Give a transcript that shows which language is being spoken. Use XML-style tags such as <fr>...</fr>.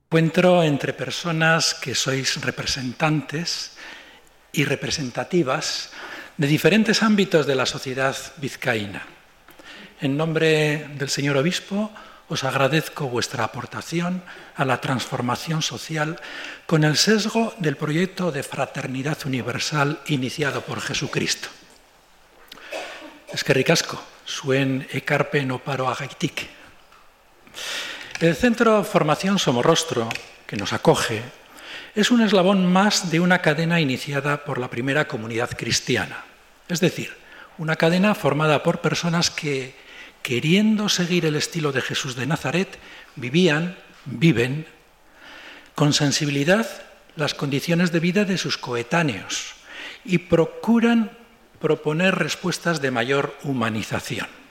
<es>Encuentro entre personas que sois representantes y representativas de diferentes ámbitos de la sociedad vizcaína. En nombre del señor obispo, os agradezco vuestra aportación a la transformación social con el sesgo del proyecto de fraternidad universal iniciado por Jesucristo.</es> <eu>Eskerrik asko, zuen ekarpen oparoagaitik.</eu> <es>El Centro Formación Somorrostro, que nos acoge, es un eslabón más de una cadena iniciada por la primera comunidad cristiana. Es decir, una cadena formada por personas que, queriendo seguir el estilo de Jesús de Nazaret, vivían, viven, con sensibilidad las condiciones de vida de sus coetáneos y procuran proponer respuestas de mayor humanización.</es>